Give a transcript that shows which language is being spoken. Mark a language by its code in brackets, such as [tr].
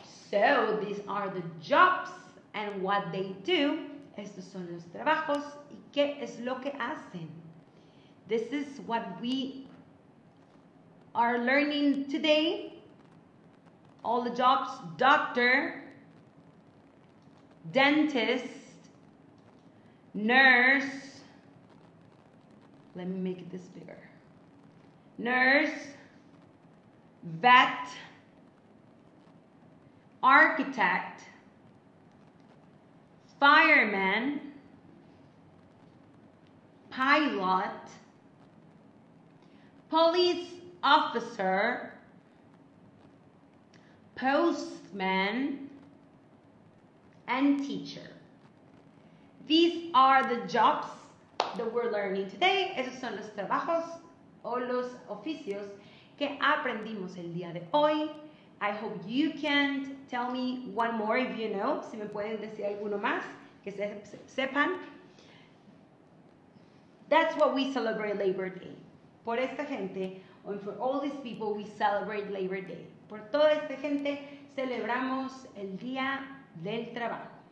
[en] So, these are the jobs and what they do. [es] Estos son los trabajos y qué es lo que hacen. [en] This is what we are learning today. All the jobs: doctor, dentist, nurse. Let me make this bigger. Nurse, vet. Architect, fireman, pilot, police officer, postman, and teacher. These are the jobs that we're learning today. [es] Esos son los trabajos o los oficios que aprendimos el día de hoy. [en] I hope you can tell me one more if you know. [es] Si me pueden decir alguno más, que sepan. [en] That's what we celebrate Labor Day. [es] Por esta gente, [en] and for all these people, we celebrate Labor Day. [es] Por toda esta gente, celebramos el Día del Trabajo.